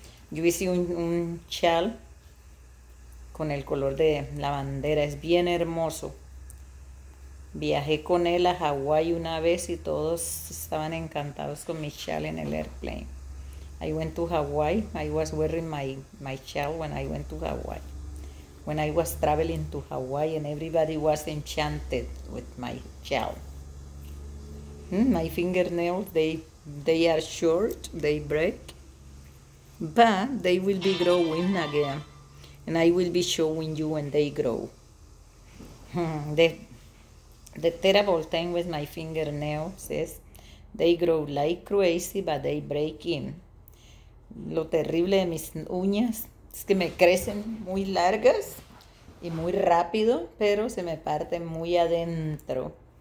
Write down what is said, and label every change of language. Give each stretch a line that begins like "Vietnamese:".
Spanish: Yo hice un chal con el color de la bandera. Es bien hermoso. Viajé con él a Hawái una vez y todos estaban encantados con mi chal en el airplane.
English: I went to Hawaii. I was wearing my chal when I went to Hawaii. When I was traveling to Hawaii and everybody was enchanted with my chal. My fingernails, they are short, they break, but they will be growing again, and I will be showing you when they grow. The terrible thing with my fingernails is they grow like crazy, but they break in.
Spanish: Lo terrible de mis uñas es que me crecen muy largas y muy rápido, pero se me parten muy adentro.